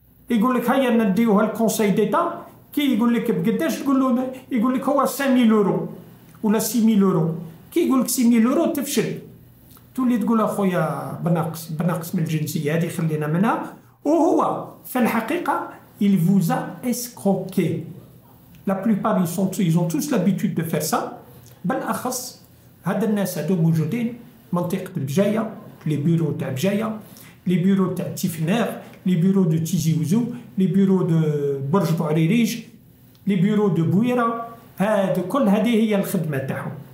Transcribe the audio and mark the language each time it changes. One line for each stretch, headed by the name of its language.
Arabic: يقول لك هيا نديوها للكونسي ديتا كي يقول لك بقداش تقول له يقول لك هو 5000 يورو ولا 6000 يورو كي يقول لك 6000 يورو تفشل تولي تقول اخويا بناقص بناقص من الجنسيه هذه خلينا منها وهو في الحقيقه
French: il vous a escroqué. La plupart ils sont ils ont tous l'habitude de faire ça.
Arabic: بل أخص هاد الناس هادو موجودين منطقة بجاية لي بيرو تاع بجاية لي بيرو تاع تيفنير لي بيرو دو تيزي وزو لي بيرو دو برج بوعريريج لي بيرو دو بويرة هاد كل هذه هي الخدمة تاعهم.